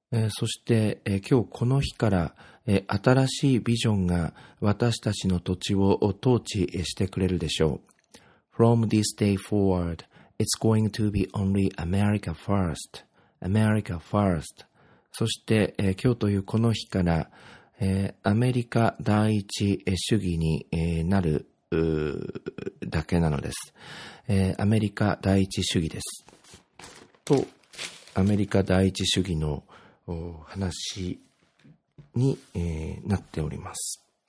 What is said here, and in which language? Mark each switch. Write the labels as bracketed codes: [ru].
[ja] そして今日この日から新しいビジョンが私たちの土地を統治してくれるでしょう。 [en] From this day forward, it's going to be only America first. America first. [ja] そして今日というこの日からアメリカ第一主義になるだけなのです。アメリカ第一主義です。と、アメリカ第一主義の話に、なっております。